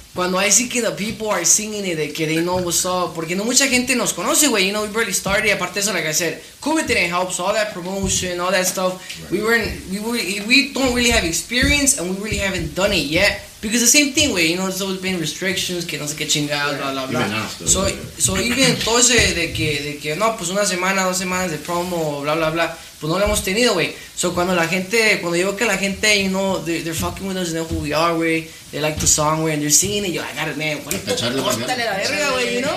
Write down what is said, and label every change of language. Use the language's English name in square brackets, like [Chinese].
[English] Cuando I see que the people are singing it, que they know what's up, [Spanish] porque no mucha gente nos conoce, [English] güey, you know, we barely started. Aparte eso, like I said, COVID didn't help, so all that promotion, all that stuff, we don't really have experience, and we really haven't done it yet, because the same thing, güey, you know, there's always been restrictions, [Spanish] que no sé qué chingado, [English] blah, blah, blah. [Spanish] So even entonces, de que, no, pues una semana, dos semanas de promo, blah, blah, blah, pues no lo hemos tenido, güey. [English] So [Spanish] cuando yo veo que la gente, [English] you know, they're fucking with us, they know who we are, güey, they like the song, güey, and they're singing it, yo, I got it, man, what the fuck, [Spanish] córtale la verga, güey, [English] you know?